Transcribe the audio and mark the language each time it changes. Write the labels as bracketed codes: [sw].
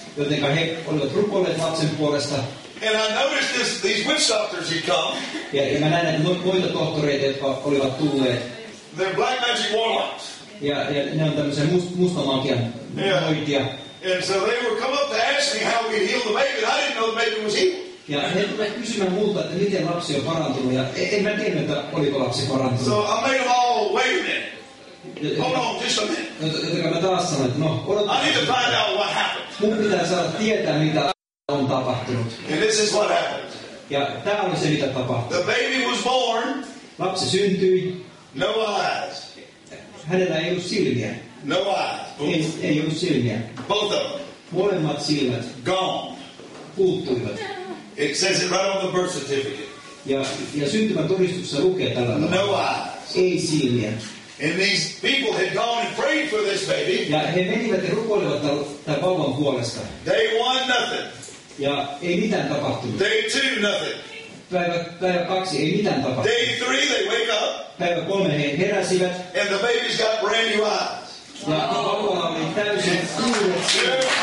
[fi] Jotenka he olivat rukoilleet lapsen puolesta. [en] And I noticed these witch doctors had come. [fi] Ja mä näin, että muita tohtoreita, jotka olivat tulleet. [en] They're black magic warlocks. [fi] Ja ne on tämmöisiä mustamagian hoitia. [en] And so they were come up to ask me how we heal the baby. I didn't know the baby was healed. [fi] Ja he tulivat kysymään multa, että miten lapsi on parantunut. Ja en mä tiedä, että oliko lapsi parantunut. [en] So I made them all wait a minute. Hold on, just a minute. [fi] Jotenka mä taas sanoin, että no, odotan. [en] I need to find out what happened. [fi] Mun pitää saada tietää, mitä on tapahtunut. [en] And this is what happened. [fi] Ja tää oli se, mitä tapahtui. [en] The baby was born. [fi] Lapsi syntyi. [en] No eyes. [fi] Hänellä ei ollut silmiä. [en] No eyes. [fi] Ei ollut silmiä. [en] Both of them. [fi] Molemmat silmät. [en] Gone. [fi] Puuttuivat. [en] It says it right on the birth certificate. [fi] Ja syntymätodistuksessa lukee tällä tavalla. [en] No eyes. [fi] Ei silmiä. [en] And these people had gone and prayed for this baby. [fi] Ja he menivät ja rukoilivat tämän vauvan puolesta. [en] Day 1, nothing. [fi] Ja ei mitään tapahtunut. [en] Day 2, nothing. [fi] Päivä kaksi, ei mitään tapahtunut. [en] Day three, they wake up. [fi] Päivä kolme, he heräsivät. [en] And the baby's got brand new eyes. [fi] Ja vauva oli täysin kuulet.